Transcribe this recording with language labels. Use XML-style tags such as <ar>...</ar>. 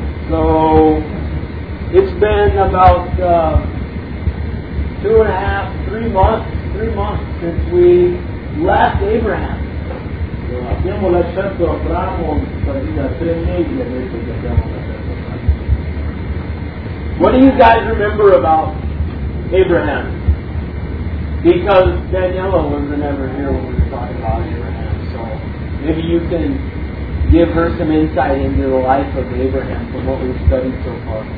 <en>So it's been about 3 months since we left Abraham.</en> <it>Abbiamo lasciato Abramo da 3 mesi adesso che abbiamo lasciato.</it> <en>What do you guys remember about Abraham? Because Daniela wasn't ever here when we were talking about Abraham, so maybe you can give her some insight into the life of Abraham from what we've studied so far.</en>